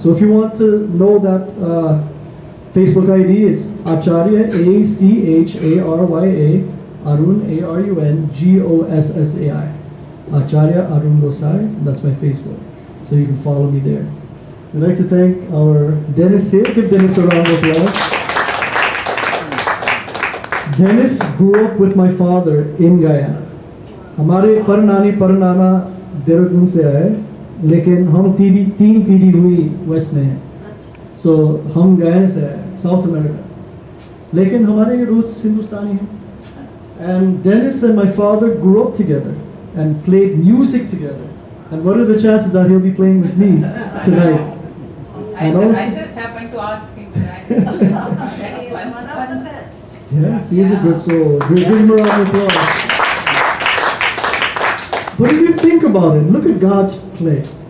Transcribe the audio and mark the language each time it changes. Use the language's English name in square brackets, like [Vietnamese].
[English] So if you want to know that Facebook ID, it's Acharya, A-C-H-A-R-Y-A, Arun, A-R-U-N, G-O-S-S-A-I. Acharya Arun Gossai, that's my Facebook. So you can follow me there. We'd like to thank our Dennis here. Give Dennis a round of applause. Dennis grew up with my father in Guyana. [Hindi] हमारे पर नानी पर नाना देहरादून से आये, लेकिन हम तीन पीढ़ी हुई वेस्ट में है. सो हम गयाना से आये, साउथ अमेरिका. लेकिन हमारे रूट्स हिंदुस्तानी है. [English] And Dennis and my father grew up together and played music together. And what are the chances that he'll be playing with me tonight? I just happened to ask him. Yes, he is a good soul. Give him a round of applause. But if you think about it, look at God's play.